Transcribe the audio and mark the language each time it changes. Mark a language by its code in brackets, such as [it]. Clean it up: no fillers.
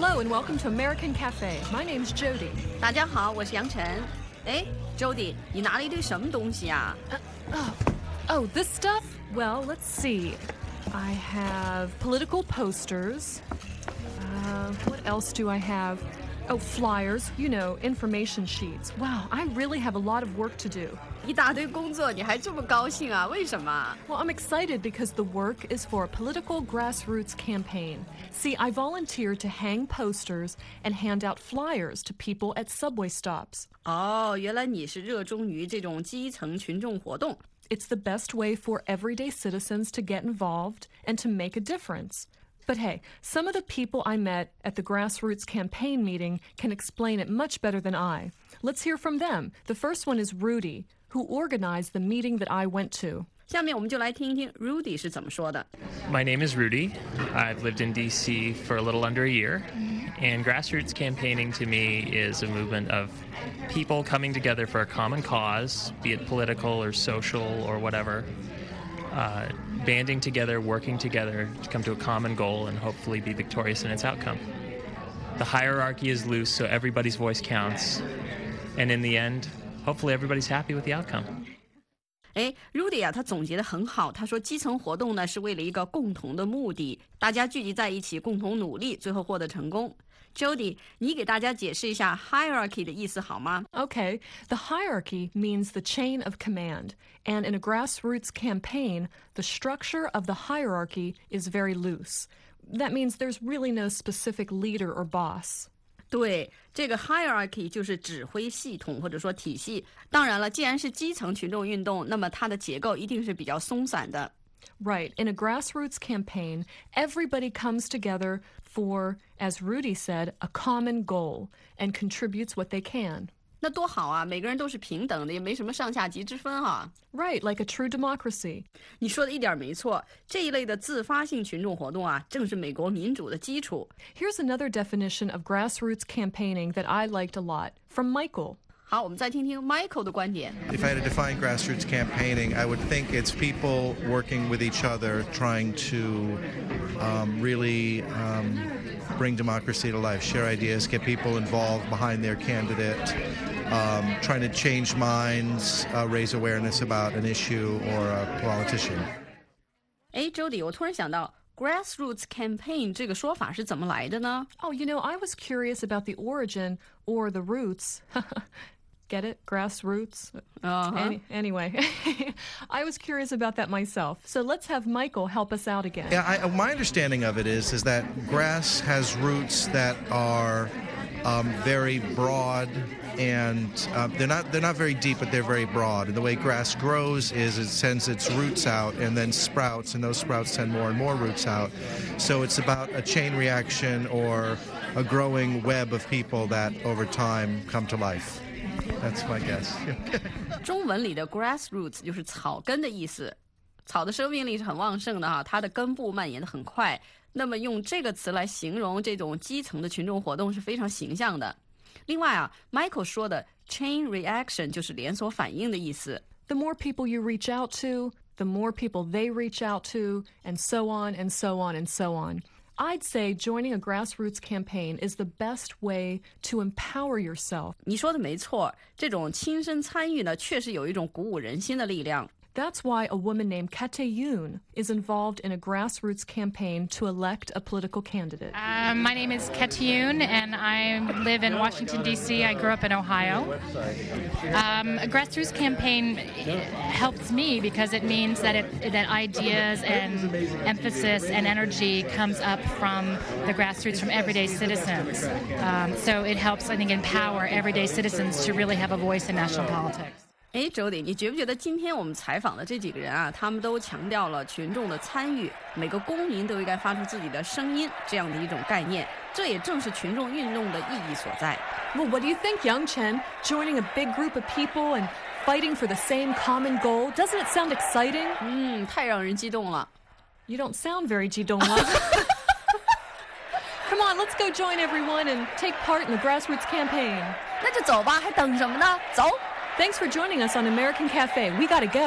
[en] Welcome to American Cafe. My name's Jody. [zh] 大家好，我是杨晨。哎 ，Jody， 你拿了一堆什么东西啊 [en] ？Oh, this stuff. Well, let's see. I have political posters. What else do I have? Oh, flyers. You know, information sheets. Wow, I really have a lot of work to do. [zh] 一大堆工作，你还这么高兴啊？为什么 [en] ？Well, I'm excited because the work is for a political grassroots campaign. See, I volunteered to hang posters and hand out flyers to people at subway stops. [zh] 哦，原来你是热衷于这种基层群众活动。 [en] It's the best way for everyday citizens to get involved and to make a difference. But hey, some of the people I met at the grassroots campaign meeting can explain it much better than I. Let's hear from them. The first one is Rudy, who organized the meeting that I went to. [zh] 下面我们就来听一听 Rudy 是怎么说的。 [en] My name is Rudy. I've lived in D.C. for a little under a year. And grassroots campaigning to me is a movement of people coming together for a common cause, be it political or social or whatever, banding together, working together to come to a common goal and hopefully be victorious in its outcome. The hierarchy is loose, so everybody's voice counts. And in the end, hopefully everybody's happy with the outcome. [zh] 哎 ，Rudy 啊，他总结得很好。他说，基层活动呢是为了一个共同的目的，大家聚集在一起，共同努力，最后获得成功。 Jody， 你给大家解释一下 hierarchy 的意思好吗 [en] ？Okay, the hierarchy means the chain of command, and in a grassroots campaign, the structure of the hierarchy is very loose. That means there's really no specific leader or boss. [zh] 对，这个 hierarchy 就是指挥系统或者说体系。当然了，既然是基层群众运动，那么它的结构一定是比较松散的。 [en] Right, in a grassroots campaign, everybody comes together for, as Rudy said, a common goal and contributes what they can. [zh] 那多好啊，每个人都是平等的，也没什么上下级之分啊。 [en] Right, like a true democracy. [zh] 你说的一点没错，这一类的自发性群众活动啊，正是美国民主的基础。 [en] Here's another definition of grassroots campaigning that I liked a lot from Michael. [zh] 好，我们再听听 Michael 的观点。 [en] If I had to define grassroots campaigning, I would think it's people working with each other, trying to bring democracy to life, share ideas, get people involved behind their candidate, trying to change minds, raise awareness about an issue or a politician. [zh] Hey, Jody, 我突然想到 grassroots campaign 这个说法是怎么来的呢 [en] ？Oh, you know, I was curious about the origin or the roots. Get it? Grassroots? Anyway, I was curious about that myself. So let's have Michael help us out again. Yeah, my understanding of it is that grass has roots that are very broad and they're not very deep, but they're very broad. And the way grass grows is it sends its roots out and then sprouts, and those sprouts send more and more roots out. So it's about a chain reaction or a growing web of people that over time come to life. That's my guess. [zh] 中文里的 grassroots 就是草根的意思，草的生命力是很旺盛的哈，它的根部蔓延的很快。那么用这个词来形容这种基层的群众活动是非常形象的。另外啊 ，Michael 说的 chain reaction 就是连锁反应的意思。 [en] The more people you reach out to, the more people they reach out to, and so on and so on and so on. I'd say joining a grassroots campaign is the best way to empower yourself. [zh] 你说的没错，这种亲身参与呢，确实有一种鼓舞人心的力量。 [en] That's why a woman named Kate Yoon is involved in a grassroots campaign to elect a political candidate. My name is Kate Yoon, and I live in Washington, D.C. I grew up in Ohio. A grassroots campaign helps me because it means that, that ideas and emphasis and energy comes up from the grassroots, from everyday citizens. So it helps, I think, empower everyday citizens to really have a voice in national politics. [zh] 哎 ，Jody， 你觉不觉得今天我们采访的这几个人啊，他们都强调了群众的参与，每个公民都应该发出自己的声音这样的一种概念，这也正是群众运动的意义所在。 [en] Well, what do you think, Yang Chen? Joining a big group of people and fighting for the same common goal, doesn't it sound exciting? [zh] 嗯，太让人激动了。 [en] You don't sound very [zh] 激动了。 [en] Come on, let's go join everyone and take part in the grassroots campaign. [zh] 那就走吧，还等什么呢？走。 [en] Thanks for joining us on American Cafe. We gotta go.